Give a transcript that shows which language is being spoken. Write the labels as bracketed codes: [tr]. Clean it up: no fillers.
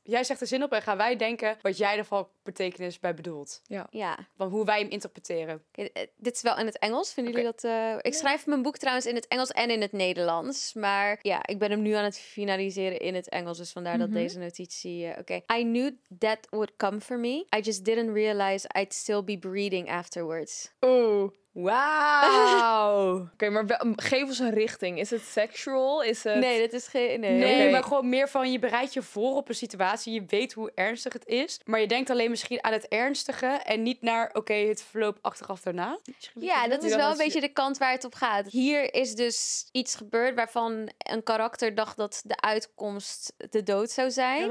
[nl] Jij zegt de zin op en gaan wij denken wat jij ervan betekenis bij bedoelt. Ja. Ja. Van hoe wij hem interpreteren. Okay, dit is wel in het Engels. Vinden jullie dat? Ik schrijf mijn boek trouwens in het Engels en in het Nederlands. Maar ja, ik ben hem nu aan het finaliseren in het Engels. Dus vandaar dat deze notitie. [en] Okay. I knew that would come for me. I just didn't realize I'd still be breathing afterwards. Oeh. Wauw. [nl] Oké, maar geef ons een richting. Is het sexual? Is het? Nee, dat is geen. Nee, nee, maar gewoon meer van je bereidt je voor op een situatie. Je weet hoe ernstig het is. Maar je denkt alleen misschien aan het ernstige en niet naar, oké, het verloop achteraf daarna. Ja, dat is wel een beetje de kant waar het op gaat. Hier is dus iets gebeurd waarvan een karakter dacht dat de uitkomst de dood zou zijn.